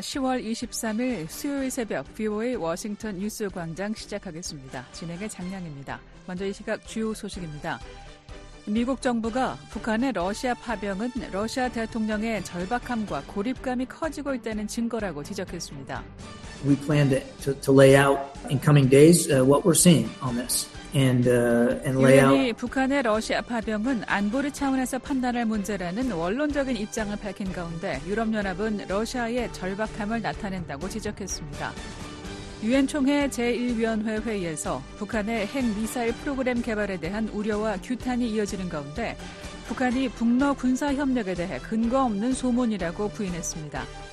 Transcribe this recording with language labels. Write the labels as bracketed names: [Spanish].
[Korean] 10월 23일 수요일 새벽 VOA 워싱턴 뉴스 광장 시작하겠습니다. 진행의 장량입니다. 먼저 이 시각 주요 소식입니다. 미국 정부가 북한의 러시아 파병은 러시아 대통령의 절박함과 고립감이 커지고 있다는 증거라고 지적했습니다. [English] We plan to lay out in coming days what we're seeing on this. [Korean] 유엔이 북한의 러시아 파병은 안보리 차원에서 판단할 문제라는 원론적인 입장을 밝힌 가운데 유럽연합은 러시아의 절박함을 나타낸다고 지적했습니다. 유엔 총회 제1위원회 회의에서 북한의 핵미사일 프로그램 개발에 대한 우려와 규탄이 이어지는 가운데 북한이 북러 군사협력에 대해 근거 없는 소문이라고 부인했습니다.